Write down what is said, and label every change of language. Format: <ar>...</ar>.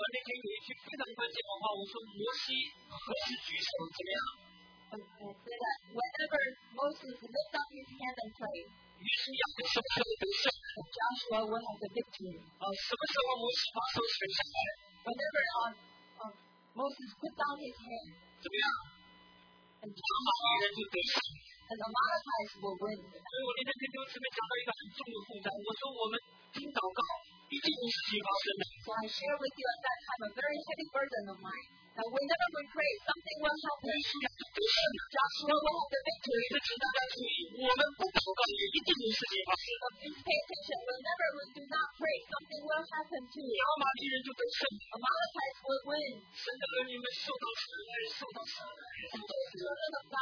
<zh>那天有一句非常关键的话，我说摩西何时举手怎么样？</zh> <en>Whenever Moses lifted up his hand and prayed.</en> <zh>于是亚伯什么时候得胜？</zh> <en>Joshua will have the victory.</en> <zh>什么时候摩西把手举下来？</zh> <en>Whenever Moses put down his hand.</en> <zh>怎么样？</zh> <en>And the Amalekites will win.</en> <zh>所以我那天跟弟兄姊妹讲到一个很重的负担，我说我们听祷告，一定有事情发生的。</zh> <en>So I share with you at that time a very heavy burden of mine. That whenever we pray, something will happen.</en> <zh>但是要得胜，就是要我们的被主的指导带出去。我们不祷告，也一定有事情发生。</zh> <en>But please pay attention. Whenever we do not pray, something will happen to you.</en> <zh>亚玛力人就得胜</zh> <en>，Amalekites will win.</en> <zh>神的儿女们受到伤害，受到伤害。</zh>